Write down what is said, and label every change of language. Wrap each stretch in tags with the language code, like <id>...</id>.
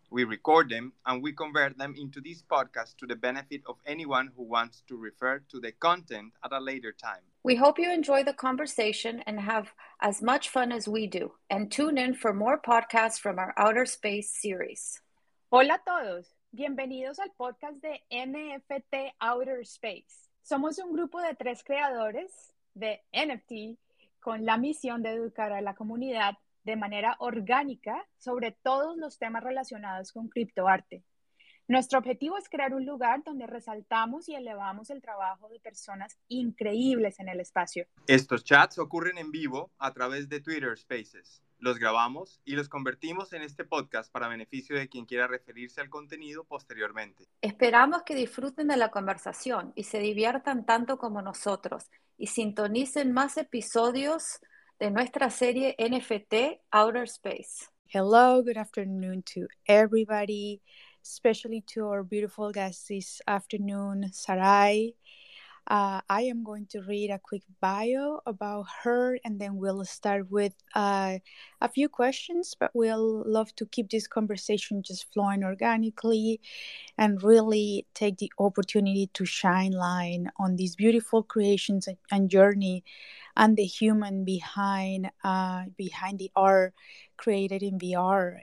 <en>We record them and we convert them into this podcast to the benefit of anyone who wants to refer to the content at a later time. We hope you enjoy the conversation and have as much fun as we do. And tune in for more podcasts from our Outer Space series.</en> <es>Hola a todos. Bienvenidos al podcast de NFT Outer Space. Somos un grupo de tres creadores de NFT con la misión de educar a la comunidad de manera orgánica sobre todos los temas relacionados con criptoarte. Nuestro objetivo es crear un lugar donde resaltamos y elevamos el trabajo de personas increíbles en el espacio. Estos chats ocurren en vivo a través de Twitter Spaces. Los grabamos y los convertimos en este podcast para beneficio de quien quiera referirse al contenido posteriormente. Esperamos que disfruten de la conversación y se diviertan tanto como nosotros y sintonicen más episodios de nuestra serie NFT Outer Space.</es> <en>Hello, good afternoon to everybody, especially to our beautiful guests this afternoon, Sarai. I am going to read a quick bio about her and then we'll start with a few questions, but we'll love to keep this conversation just flowing organically and really take the opportunity to shine light on these beautiful creations and journey and the human behind the art created in VR.</en>